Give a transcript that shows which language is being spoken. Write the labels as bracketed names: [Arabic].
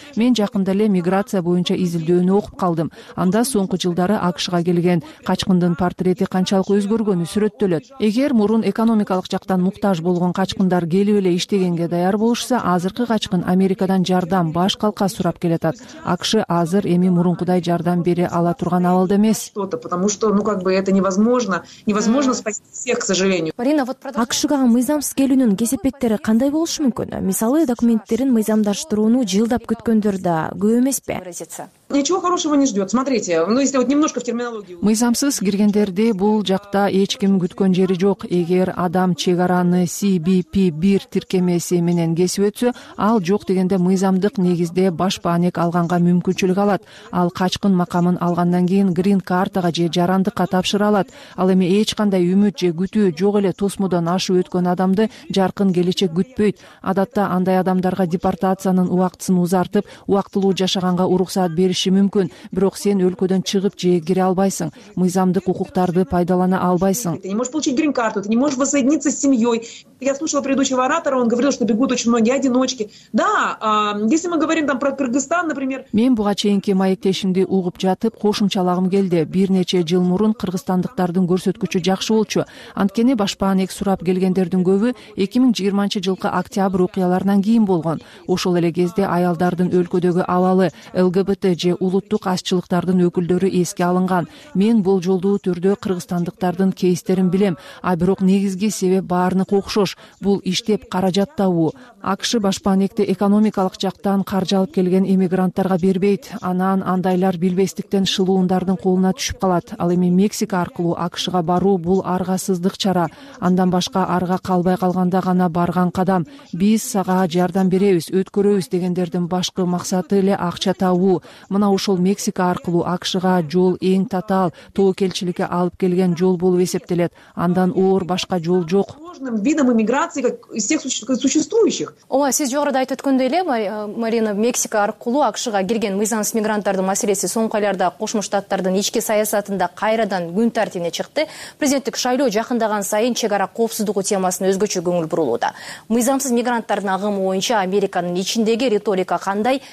[Kyrgyz] Мен жакында эле миграция боюнча изилдөөнү окуп калдым. Анда соңку жылдары АКШга келген качкындын портрети канчалык өзгөргөнү сүрөттөлөт. Эгер мурун экономикалык жактан муктаж болгон качкындар келип эле иштегенге даяр болушса, азыркы качкын Америкадан жардам, баш калка сурап келатат. АКШ азыр эми мурункудай жардам бере ала турган абалда эмес. [Russian] Потому что, ну как бы это невозможно, спасти всех, к сожалению. Марина, вот продолжение. [Kyrgyz] АКШга мыйзамсыз келүүнүн кесепеттери кандай болушу мүмкүн? Мисалы, документтерин мыйзамдаштырууну жылдап күткөндөр да көп эмеспи? [Russian] Ничего хорошего не ждёт. Смотрите, ну если вот немножко в терминологии. [Kyrgyz] Мыйзамсыз киргендерди бул жакта эч ким күткөн жери жок. Эгер адам чек араны CBP-1 тиркемеси менен кесип өтсө, ал жок дегенде мыйзамдык негизде башпаанек алганга мүмкүнчүлүк алат. Ал качкын макамын алгандан кийин грин картага же жарандыкка тапшыра алат. Ал эми эч кандай үмүт же күтүү жок эле тосмодон ашып өткөн адамды жаркын келечек күтпөйт. Адатта андай адамдарга депортациянын убактысын узартып, убактылуу жашаганга уруксат бериши мүмкүн, бирок сен өлкөдөн чыгып же кире албайсың, мыйзамдык укуктарды пайдалана албайсың. [Russian] Ты не можешь получить грин карту, ты не можешь воссоединиться с семьёй. Я слушала предыдущего оратора, он говорил, что бегут очень многие одиночки. Да, если мы говорим там про Кыргызстан, например. [Kyrgyz] Мен буга чейинки маектешимди угуп жатып кошумчалагым келди. Бир нече жыл мурун кыргызстандыктардын көрсөткүчү жакшы болчу. Анткени башпаанек сурап келгендердин көбү 2020 жылкы октябрь окуяларынан кийин болгон. Ошол эле кезде аялдардын өлкөдөгү абалы, ЛГБТ же улуттук азчылыктардын өкүлдөрү эске алынган. Мен болжолдуу түрдө кыргызстандыктардын кейстерин билем, а бирок негизги себеп баарынык окшош. Бул иштеп каражат табуу. АКШ башпаанекти экономикалык жактан каржы алып келген иммигранттарга бербейт. Анан андайлар билбестиктен шылуундардын колуна түшүп калат. Ал эми Мексика аркылуу АКШга баруу бул аргасыздык чара. Андан башка арга калбай калганда гана барган кадам. Биз сага жардам беребиз, өткөрөбүз дегендердин башкы максаты эле акча табуу. Мына ушул Мексика аркылуу АКШга жол эң татаал, тоокелчиликке алып келген жол болуп эсептелет. Андан оор башка жол жок. [Russian] Видом иммиграции как из всех существующих. [Kyrgyz] Ой, сиз жогоруда айтып өткөндөй эле, Марина, Мексика аркылуу АКШга кирген мыйзамсыз мигранттардын маселеси соңку айларда Кошмо Штаттардын ички саясатында кайрадан күн тартибине чыкты. Президенттик шайлоо жакындаган сайын чек ара коопсуздугу темасына өзгөчө көңүл бурулууда. Мыйзамсыз мигранттардын агымы боюнча Американын ичиндеги риторика кандай?